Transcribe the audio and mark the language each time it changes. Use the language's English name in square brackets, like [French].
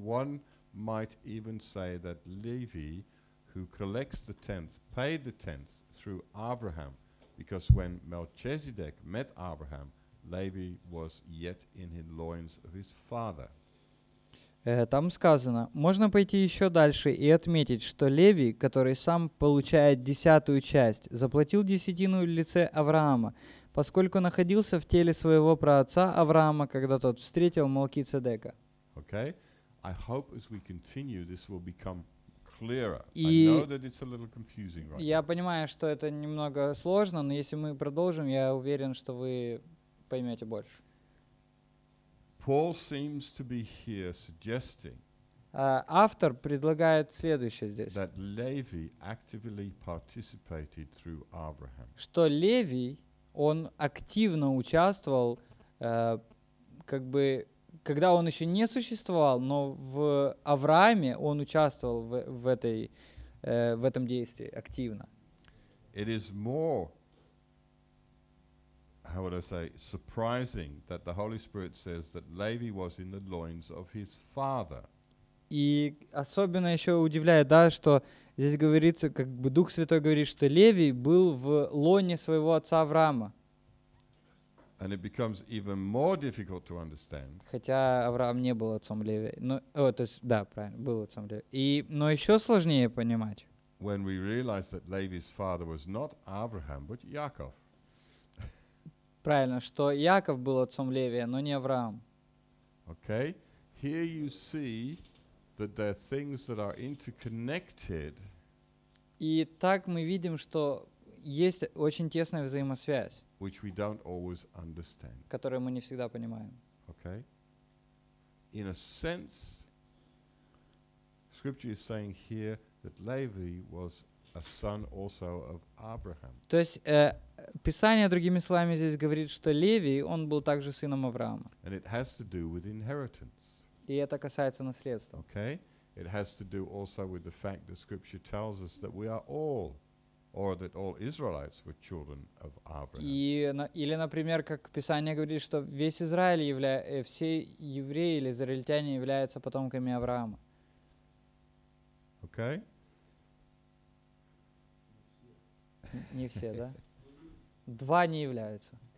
[English] One might even say that Levi, who collects the tenth, paid the tenth through Abraham, because when Melchizedek met Abraham, Levi was yet in the loins of his father. [Russian] Там сказано, можно пойти еще дальше и отметить, что Леви, который сам получает десятую часть, заплатил десятину в лице Авраама, поскольку находился в теле своего праотца Авраама, когда тот встретил Мелхиседека. [English] Okay, I hope as we continue, this will become clearer. I know that it's a little confusing right now. [Russian] Я понимаю, что это немного сложно, но если мы продолжим, я уверен, что вы поймете больше. [English] Paul seems to be here suggesting. [Russian] Автор предлагает следующее здесь. [English] That Levi actively participated through Abraham. [Russian] Что Леви, он активно участвовал, как бы, когда он еще не существовал, но в Аврааме он участвовал в этом действии активно. [English] It is more, how would I say, surprising that the Holy Spirit says that Levi was in the loins of his father. [Russian] И особенно еще удивляет, да, что здесь говорится, как бы Дух Святой говорит, что Леви был в лоне своего отца Авраама. [English] And it becomes even more difficult to understand. [Russian] Хотя Авраам не был отцом Леви, но, о, то есть, да, правильно, был отцом Леви. И, но еще сложнее понимать. [English] When we realize that Levi's father was not Abraham, but Yaakov. [Russian] Правильно, что Яков был отцом Леви, но не Авраам. [English] Okay, here you see that there are things that are interconnected. [Russian] И так мы видим, что есть очень тесная взаимосвязь, [English] which we don't always understand. [Russian] Которую мы не всегда понимаем. [English] Okay. In a sense, scripture is saying here that Levi was a son also of Abraham. [Russian] То есть Писание, другими словами, здесь говорит, что Леви, он был также сыном Авраама. [English] And it has to do with inheritance. [Russian] И это касается наследства. [English] Okay? It has to do also with the fact that Scripture tells us that we are all, or that all Israelites were children of Abraham. [Russian] И, или, например, как Писание говорит, что весь Израиль все евреи или израильтяне являются потомками Авраама. [English] Okay? [Russian] Не все, да? Два не являются.